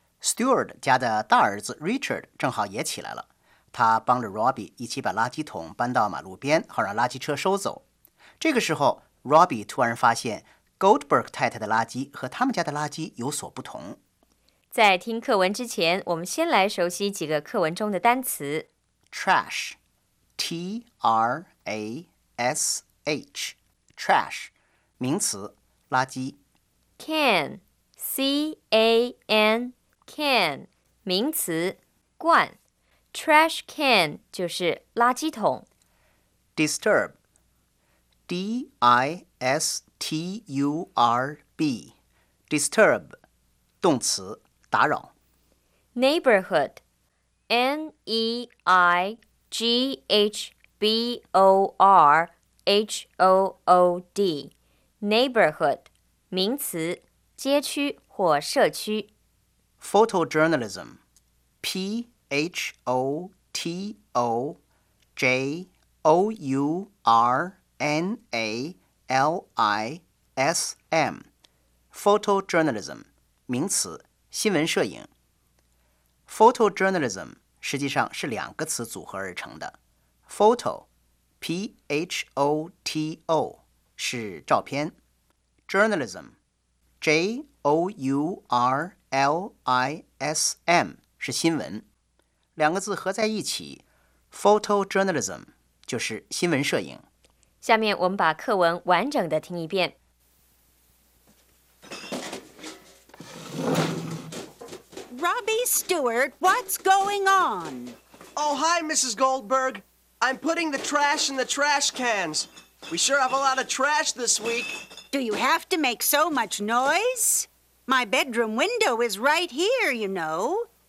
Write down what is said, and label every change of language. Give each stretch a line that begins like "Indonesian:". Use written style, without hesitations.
Chinese: Stewart 家的大儿子 Richard 正好也起来了，他帮着 Robbie 一起把垃圾桶搬到马路边，好让垃圾车收走。这个时候 Robbie 突然发现 Goldberg 太太的垃圾和他们家的垃圾有所不同。在听课文之前，我们先来熟悉几个课文中的单词。 Trash， T-R-A-S-H， Trash， 名词，垃圾。 Can, C-A-N, can, 名词，罐。 Trash can 就是垃圾桶。 Disturb, D-I-S-T-U-R-B, disturb, 动词，打扰。 Neighborhood, N-E-I-G-H-B-O-R-H-O-O-D, neighborhood, 名词，街区或社区。 Photojournalism, P-H-O-T-O-J-O-U-R-N-A-L-I-S-M, photojournalism, 名词，新闻摄影。 Photojournalism 实际上是两个词组合而成的， photo, P-H-O-T-O, 是照片， journalismJournalism 是新闻，两个字合在一起 Photojournalism 就是新闻摄影。下面我们把课文完整的听一遍。
English: Robbie Stewart, what's going on? Oh, hi, Mrs. Goldberg. I'm putting the trash in the trash cans. We sure have a lot of trash this week. Do you have to make so much noise? My bedroom window is right here, you know.